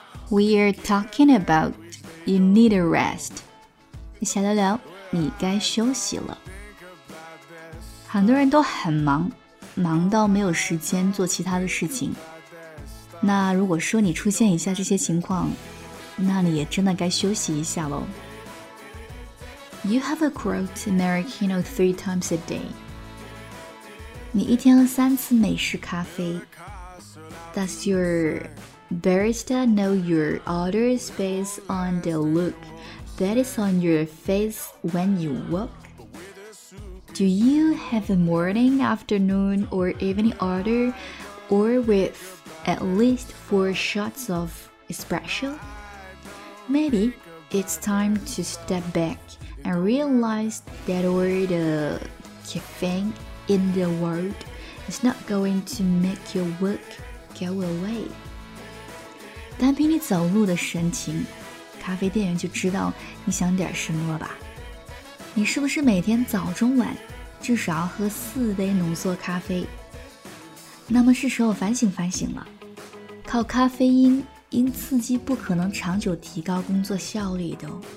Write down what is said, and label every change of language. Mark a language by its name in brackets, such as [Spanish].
[English] We are talking about you need a rest， [Chinese] 瞎聊聊你该休息了。很多人都很忙，忙到没有时间做其他的事情，那如果说你出现以下这些情况，那你也真的该休息一下咯。 [English] You have a cooked Americano 3 times a day. [Chinese] 你一天喝三次美式咖啡。 [English] Does your barista know your order is based on the look that is on your face when you walk? Do you have a morning, afternoon, or evening order, or withAt least 4 shots of espresso? Maybe it's time to step back and realize that all the caffeine in the world is not going to make your work go away. [Chinese] 单凭你走路的神情，咖啡店员就知道你想点什么了吧？你是不是每天早中晚至少要喝4杯浓缩咖啡？那么是时候反省反省了。靠咖啡因，因刺激不可能长久提高工作效率的。